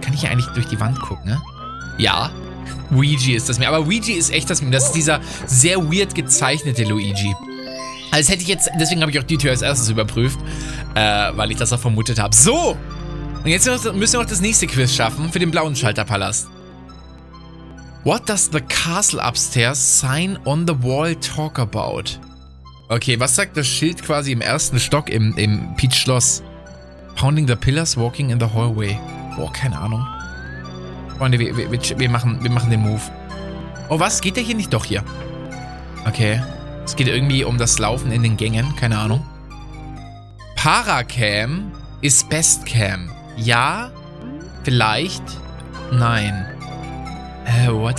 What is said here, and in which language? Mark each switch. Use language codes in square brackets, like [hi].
[de] Kann ich hier eigentlich durch die Wand gucken, ne? Ja. Luigi ist das Meme. Aber Luigi ist echt das Meme. Das ist dieser sehr weird gezeichnete Luigi. Also hätte ich jetzt, deswegen habe ich auch die Tür als erstes überprüft, weil ich das auch vermutet habe. So! Und jetzt müssen wir noch das nächste Quiz schaffen für den blauen Schalterpalast. [en] What does the castle upstairs sign on the wall talk about? [de] Okay, was sagt das Schild quasi im ersten Stock im Peach Schloss? [en] Pounding the pillars, walking in the hallway. [de] Boah, keine Ahnung. Freunde, wir machen den Move. Oh, was? Geht der hier nicht? Doch, hier. Okay. Es geht irgendwie um das Laufen in den Gängen. Keine Ahnung. Paracam ist Best Cam. Ja, vielleicht, nein. What?